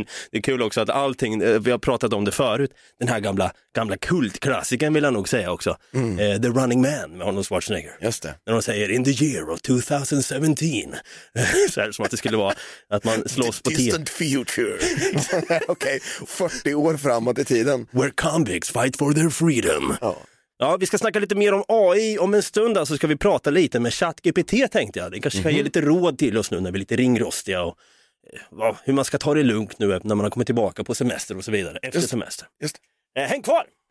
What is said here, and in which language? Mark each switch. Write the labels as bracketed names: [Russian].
[Swedish] Det är kul också att allting, vi har pratat om det förut, den här gamla kultklassiken vill jag nog säga också. The Running Man med Arnold Schwarzenegger. Just det. När de säger [English] "in the year of 2017 [Swedish] så är det som att det skulle vara att man slås på tiden. [English] Distant future. [Swedish] Okej, 40 år framåt i tiden. [English] Where convicts fight for their freedom. Oh. [Swedish] Ja, vi ska snacka lite mer om AI om en stund, alltså ska vi prata lite med ChatGPT, tänkte jag. Det kanske kan ge lite råd till oss nu när vi är lite ringrostiga och hur man ska ta det lugnt nu när man har kommit tillbaka på semester och så vidare, efter just, semester. Just. Häng kvar!